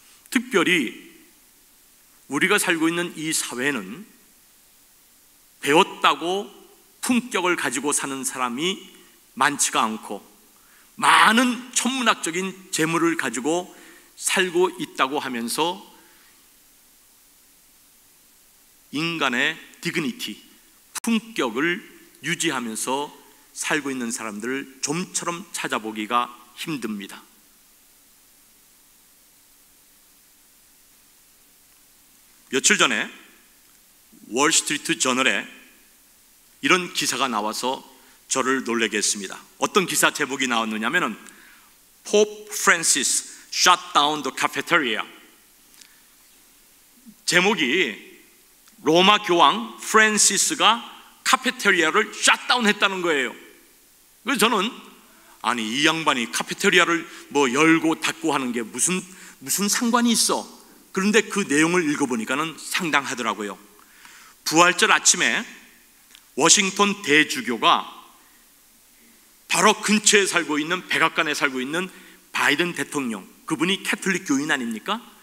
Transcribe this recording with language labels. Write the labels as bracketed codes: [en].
[ko] 특별히 우리가 살고 있는 이 사회는 배웠다고 품격을 가지고 사는 사람이 많지가 않고 많은 천문학적인 재물을 가지고 살고 있다고 하면서 인간의 디그니티, 품격을 유지하면서 살고 있는 사람들을 좀처럼 찾아보기가 힘듭니다. 며칠 전에 월스트리트 저널에 이런 기사가 나와서 저를 놀라게 했습니다. 어떤 기사 제목이 나왔느냐면 [en] Pope Francis shut down the cafeteria. [ko] 제목이 로마 교황 프란시스가 카페테리아를 셧다운 했다는 거예요. 그래서 저는 아니 이 양반이 카페테리아를 뭐 열고 닫고 하는 게 무슨 상관이 있어? 그런데 그 내용을 읽어보니까는 상당하더라고요. 부활절 아침에 워싱턴 대주교가 바로 근처에 살고 있는 백악관에 살고 있는 바이든 대통령, 그분이 캐톨릭 교인 아닙니까?